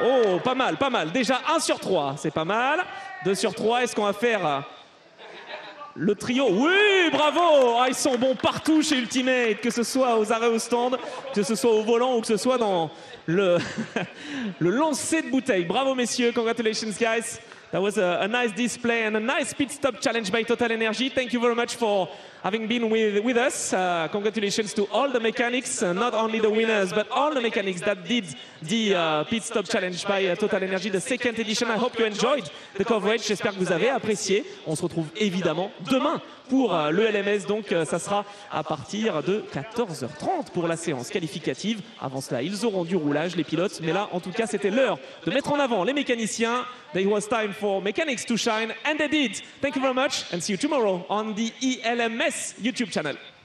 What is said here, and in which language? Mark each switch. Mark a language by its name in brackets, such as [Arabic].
[French] Oh, pas mal, pas mal. Déjà, 1 sur 3, c'est pas mal. 2 sur 3, est-ce qu'on va faire le trio? Oui, bravo! Ah, ils sont bons partout chez Ultimate, que ce soit aux arrêts au stand, que ce soit au volant ou que ce soit dans le, le lancer de bouteille. Bravo, messieurs. [English] Congratulations, guys. That was a nice display and a nice pit stop challenge by TotalEnergies. Thank you very much for having been with us. Congratulations to all the mechanics, not only the winners, but all the mechanics that did the pit stop challenge by TotalEnergies, the second edition. I hope you enjoyed the coverage. [French] J'espère que vous avez apprécié. On se retrouve évidemment demain pour le LMS. Donc, ça sera à partir de 14h30 pour la séance qualificative. Avant cela, ils auront du roulage, les pilotes. Mais là, en tout cas, c'était l'heure de mettre en avant les mécaniciens. [English] It was time for mechanics to shine, and they did. Thank you very much, and see you tomorrow on the ELMS YouTube channel.